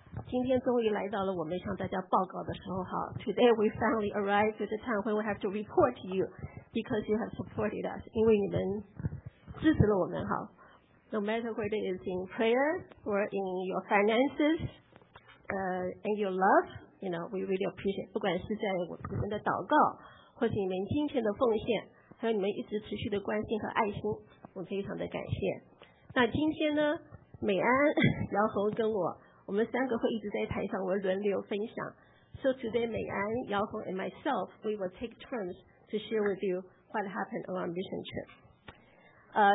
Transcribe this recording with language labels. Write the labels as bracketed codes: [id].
[zh] 今天终于来到了我们向大家报告的时候哈, [en] today we finally arrived at the time when we have to report to you because you have supported us. [zh] 因为你们支持了我们哈, [en] no matter whether it is in prayer or in your finances, and your love, you know, we really appreciate. [zh] 不管是在我们的祷告或是你们今天的奉献, 还有你们一直持续的关心和爱心, 我非常的感谢。那今天呢,美安,姚红跟我,我们三个会一直在台上,我们轮流分享. [en] So today, 美安, 姚红, and myself, we will take turns to share with you what happened on our mission trip.